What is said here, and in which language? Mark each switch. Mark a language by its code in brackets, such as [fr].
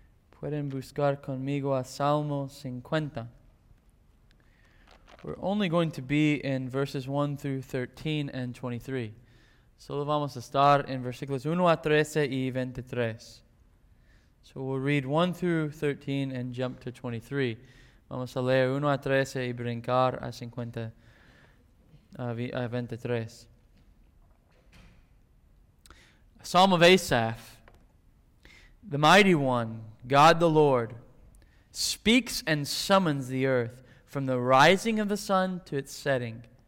[es] Pueden buscar conmigo a Salmo 50. [en] We're only going to be in verses 1 through 13 and 23. [es] Solo vamos a estar en versículos 1 a 13 y 23. [en] So we'll read 1 through 13 and jump to 23. [es] Vamos a leer 1 a 13 y brincar a 50 a 23. [en] A Psalm of Asaph. The Mighty One, God the Lord, speaks and summons the earth from the rising of the sun to its setting.